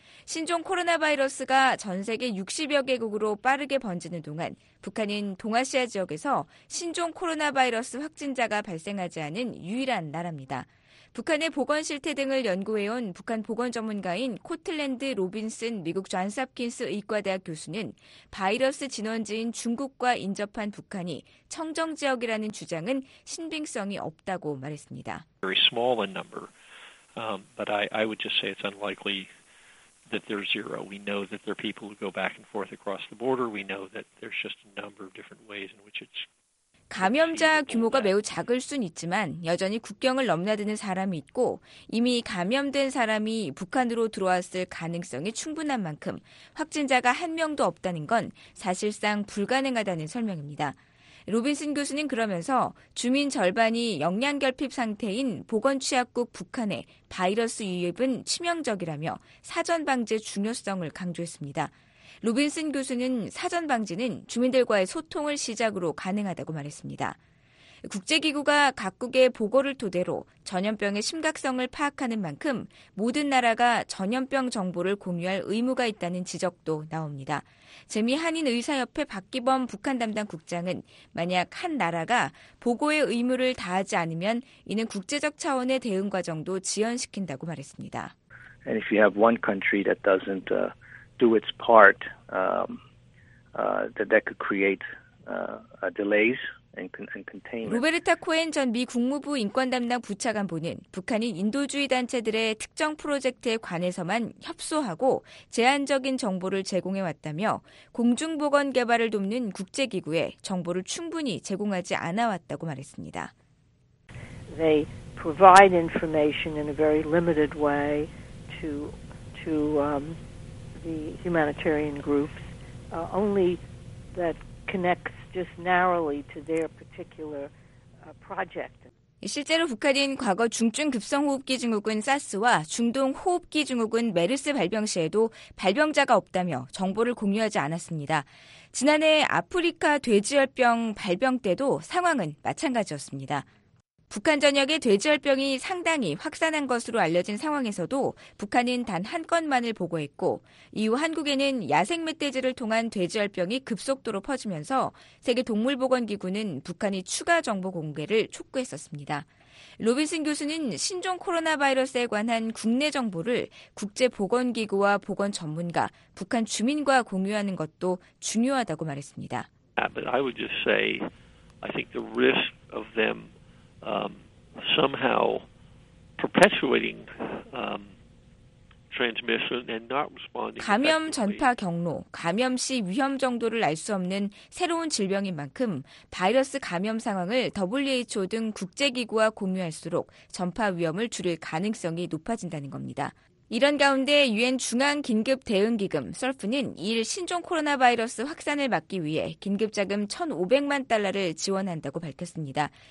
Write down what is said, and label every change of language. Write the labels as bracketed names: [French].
[Korean] 신종 코로나 바이러스가 전 세계 60여 개국으로 빠르게 번지는 동안 북한은 동아시아 지역에서 신종 코로나 바이러스 확진자가 발생하지 않은 유일한 나라입니다. 북한의 보건 실태 등을 연구해온 북한 보건 전문가인 코틀랜드 로빈슨 미국 존스홉킨스 의과대학 교수는 바이러스 진원지인 중국과 인접한 북한이 청정 지역이라는 주장은 신빙성이 없다고 말했습니다. [English] Very small in number, but I would just say it's unlikely that there's zero. We know that there are people who go back and forth across the border. We know that there's just a number of different ways in which it's [Korean] 감염자 규모가 매우 작을 순 있지만 여전히 국경을 넘나드는 사람이 있고 이미 감염된 사람이 북한으로 들어왔을 가능성이 충분한 만큼 확진자가 한 명도 없다는 건 사실상 불가능하다는 설명입니다. 로빈슨 교수는 그러면서 주민 절반이 영양결핍 상태인 보건취약국 북한의 바이러스 유입은 치명적이라며 사전 방지의 중요성을 강조했습니다. 로빈슨 교수는 사전 방지는 주민들과의 소통을 시작으로 가능하다고 말했습니다. 국제기구가 각국의 보고를 토대로 전염병의 심각성을 파악하는 만큼 모든 나라가 전염병 정보를 공유할 의무가 있다는 지적도 나옵니다. 재미 한인의사협회 박기범 북한 담당 국장은 만약 한 나라가 보고의 의무를 다하지 않으면 이는 국제적 차원의 대응 과정도 지연시킨다고 말했습니다. [English] And if you have one country that doesn't do its part, that could create delays and containment. [Korean] 로베르타 코엔 전 미 국무부 인권담당 부차관보는 북한이 인도주의 단체들의 특정 프로젝트에 관해서만 협소하고 제한적인 정보를 제공해 왔다며 공중보건 개발을 돕는 국제기구에 정보를 충분히 제공하지 않아 왔다고 말했습니다. [English] They provide information in a very limited way to the humanitarian groups only that connects just narrowly to their particular project. [Korean] 실제로 북한은 과거 중증 급성 호흡기 증후군 사스와 중동 호흡기 증후군 메르스 발병 시에도 발병자가 없다며 정보를 공유하지 않았습니다. 지난해 아프리카 돼지열병 발병 때도 상황은 마찬가지였습니다. 북한 전역의 돼지열병이 상당히 확산한 것으로 알려진 상황에서도 북한은 단 한 건만을 보고했고 이후 한국에는 야생 멧돼지를 통한 돼지열병이 급속도로 퍼지면서 세계동물보건기구는 북한이 추가 정보 공개를 촉구했었습니다. 로빈슨 교수는 신종 코로나 바이러스에 관한 국내 정보를 국제보건기구와 보건 전문가, 북한 주민과 공유하는 것도 중요하다고 말했습니다. [English] But I would just say, I think the risk of them somehow perpetuating transmission and not responding. [Korean] 감염 전파 경로, 감염 시 위험 정도를 알 수 없는 새로운 질병인 만큼 바이러스 감염 상황을 WHO 등 국제기구와 공유할수록 전파 위험을 줄일 가능성이 높아진다는 겁니다. 이런 가운데 유엔 중앙긴급대응기금 SURF는 이일 신종 코로나 바이러스 확산을 막기 위해 긴급자금 1,500만 달러를 지원한다고 밝혔습니다.